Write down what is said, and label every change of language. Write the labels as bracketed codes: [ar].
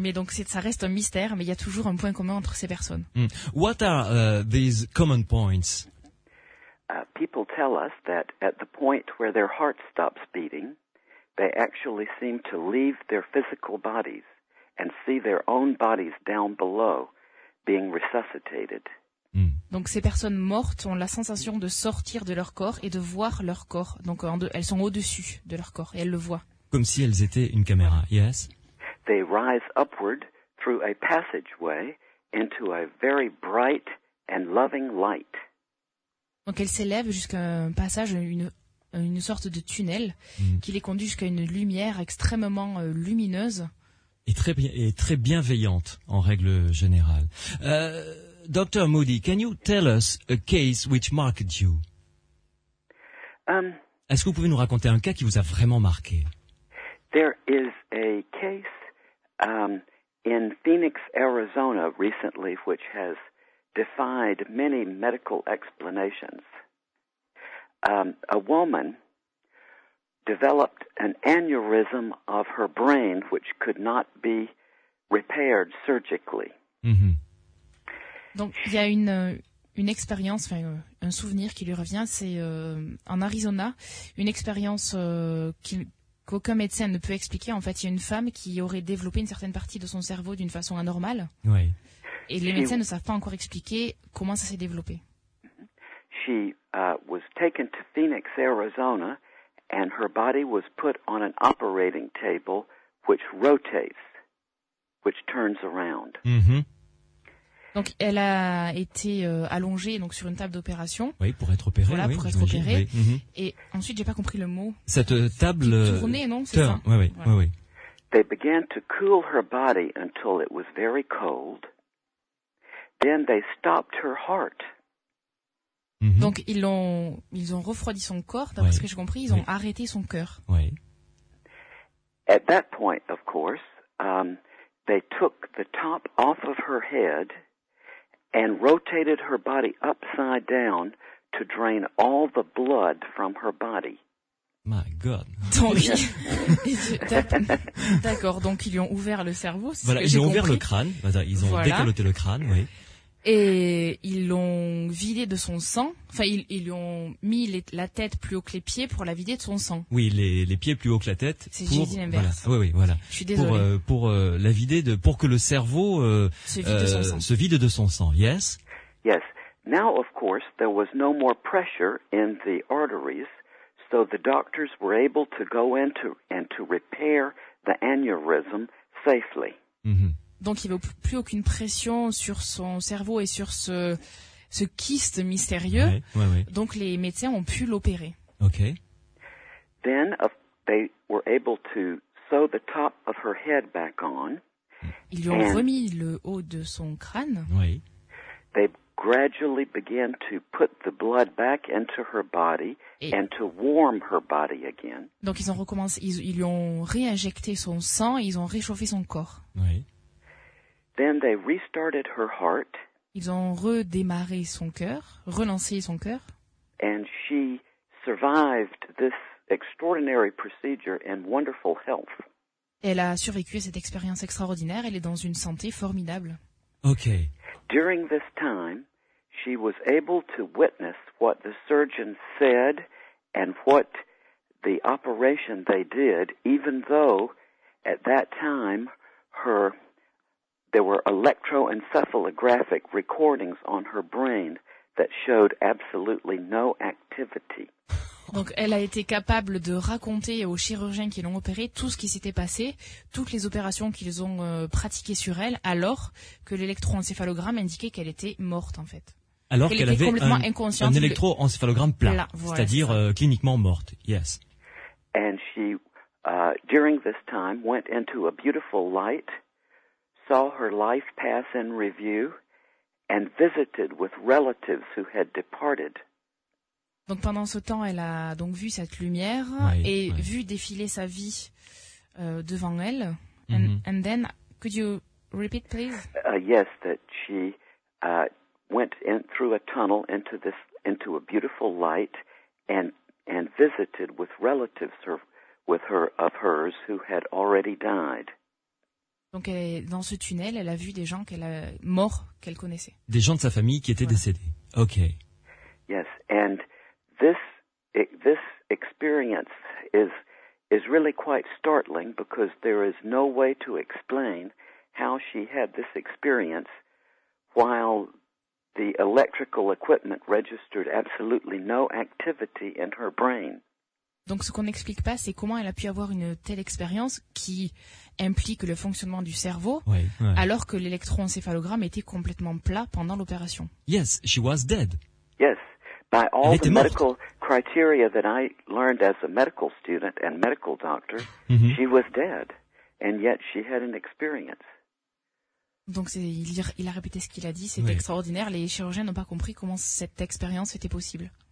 [fr] Mais donc ça reste un mystère, mais il y a toujours un point commun entre ces personnes. [en] Mm. What are these common points? People tell us that at the point where their heart stops beating, they actually seem to leave their physical bodies and see their own bodies down below being resuscitated. [fr] Donc ces personnes mortes ont la sensation de sortir de leur corps et de voir leur corps. Donc elles sont au-dessus de leur corps et elles le voient. Comme si elles étaient une caméra. [en] Yes. They rise upward through a passageway into a very bright and loving light. [fr] Donc elles s'élèvent jusqu'à un passage, une sorte de tunnel qui les conduit jusqu'à une lumière extrêmement lumineuse. Et très bienveillante en règle générale. Dr. [en] Moody, can you tell us a case which marked you? [fr] Est-ce que vous pouvez nous raconter un cas qui vous a vraiment marqué? [en] There is a case in Phoenix, Arizona recently which has defied many medical explanations. A woman developed an aneurysm of her brain which could not be repaired surgically. Mm-hmm. [fr] Donc il y a une expérience, enfin un souvenir qui lui revient, c'est en Arizona, une expérience qu'aucun médecin ne peut expliquer. En fait, il y a une femme qui aurait développé une certaine partie de son cerveau d'une façon anormale. Oui. Et les médecins ne savent pas encore expliquer comment ça s'est développé. [en] She was taken to Phoenix, Arizona, and her body was put on an operating table which rotates, which turns around. Mm-hmm. [fr] Donc elle a été allongée donc sur une table d'opération. Oui, pour être opérée. Voilà, oui, pour être opérée. Oui. Et ensuite, j'ai pas compris le mot. Cette table tournée, non, c'est ça. Oui, oui, voilà. Oui. [en] They began to cool her body until it was very cold. Then they stopped her heart. Mm-hmm. [fr] Donc ils ont refroidi son corps, d'après ce que j'ai compris, ils ont arrêté son cœur. Oui. [en] At that point, of course, they took the top off of her head and rotated her body upside down to drain all the blood from her body. My God. [fr] D'accord, donc ils lui ont ouvert le cerveau. Voilà, ils lui ont ouvert le crâne. Ils ont décaloté le crâne, oui. Et ils l'ont vidé de son sang. Enfin, ils lui ont mis la tête plus haut que les pieds pour la vider de son sang. Oui, les pieds plus haut que la tête. C'est pour, Jesse Lambert. Voilà. Je suis désolée. Pour la vider de, pour que le cerveau se vide de son sang. [en] Yes. Yes. Now, of course, there was no more pressure in the arteries, so the doctors were able to go into and to repair the aneurysm safely. Mm-hmm. [fr] Donc il n'y avait plus aucune pression sur son cerveau et sur ce kyste mystérieux. Oui, oui, oui. Donc les médecins ont pu l'opérer. OK. [en] Then they were able to sew the top of her head back on. [fr] Ils lui ont remis le haut de son crâne. Oui. [en] They gradually began to put the blood back into her body and to warm her body again. [fr] Donc ils lui ont réinjecté son sang, ils ont réchauffé son corps. Oui. [en] Then they restarted her heart. [fr] Ils ont redémarré son cœur, relancé son cœur. [en] And she survived this extraordinary procedure in wonderful health. [fr] Elle a survécu à cette expérience extraordinaire. Elle est dans une santé formidable. Okay. [en] During this time, she was able to witness what the surgeon said and what the operation they did, even though at that time her there were electroencephalographic recordings on her brain that showed absolutely no activity. [fr] Donc elle a été capable de raconter aux chirurgiens qui l'ont opérée tout ce qui s'était passé, toutes les opérations qu'ils ont pratiquées sur elle, alors que l'électroencéphalogramme indiquait qu'elle était morte en fait. Alors qu'elle était complètement inconsciente. Un électroencéphalogramme plat, voilà, c'est-à-dire cliniquement morte. [en] Yes. And she during this time went into a beautiful light, saw her life pass in review, and visited with relatives who had departed. [fr] Donc pendant ce temps, elle a donc vu cette lumière vu défiler sa vie devant elle. [en] Mm-hmm. And then, could you repeat, please? Yes, that she went in through a tunnel into this into a beautiful light and visited with relatives with her of hers who had already died. [fr] Donc elle, dans ce tunnel, elle a vu des gens qu'elle a morts qu'elle connaissait. Des gens de sa famille qui étaient décédés. OK. [en] Yes, and this experience is really quite startling because there is no way to explain how she had this experience while the electrical equipment registered absolutely no activity in her brain. [fr] Donc ce qu'on n'explique pas, c'est comment elle a pu avoir une telle expérience qui implique le fonctionnement du cerveau, oui, oui, alors que l'électroencéphalogramme était complètement plat pendant l'opération. [en] Yes, she was dead. Yes, by all the medical criteria that I learned as a medical student and medical doctor, mm-hmm, she was dead, and yet she had an experience. [fr] Donc c'est, il a répété ce qu'il a dit, c'est, oui, extraordinaire. Les chirurgiens n'ont pas compris comment cette expérience était possible.